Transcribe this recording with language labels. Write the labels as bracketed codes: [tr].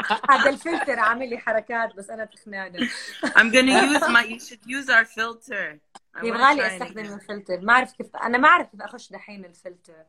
[ar] هذا الفلتر عامل لي حركات بس أنا تخنانة. [en] I'm gonna use my, you should use our filter. [ar] يبغالي أستخدم الفلتر, ما أعرف كيف, أنا ما أعرف كيف أخش دحين الفلتر.